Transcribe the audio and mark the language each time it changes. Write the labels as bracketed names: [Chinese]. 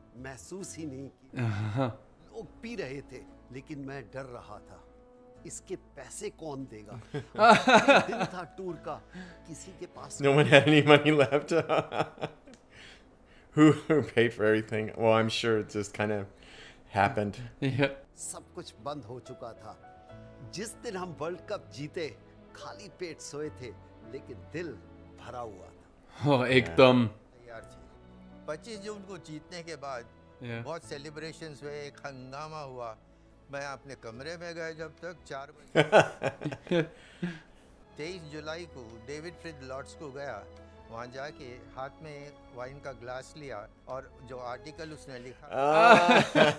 [Hindi] महसूस ही नहीं की लोग पी रहे थे लेकिन मैं डर रहा था इसके पैसे कौन देगा दिन था टूर का किसी के पास [English] no one had any money left who paid for everything well I'm sure it just kind of happened [Hindi] सब कुछ बंद हो चुका था जिस दिन हम वर्ल्ड कप जीते खाली पेट सोए थे लेकिन दिल भरा हुआ था एकदम 25 जून को जीतने के बाद बहुत सेलिब्रेशंस हुए एक हंगामा हुआ मैं अपने कमरे में गया जब तक 4 बजे 23 जुलाई को डेविड फ्रिड लॉर्ड्स को गया वहां जाके हाथ में वाइन का ग्लास लिया और जो आर्टिकल उसने लिखा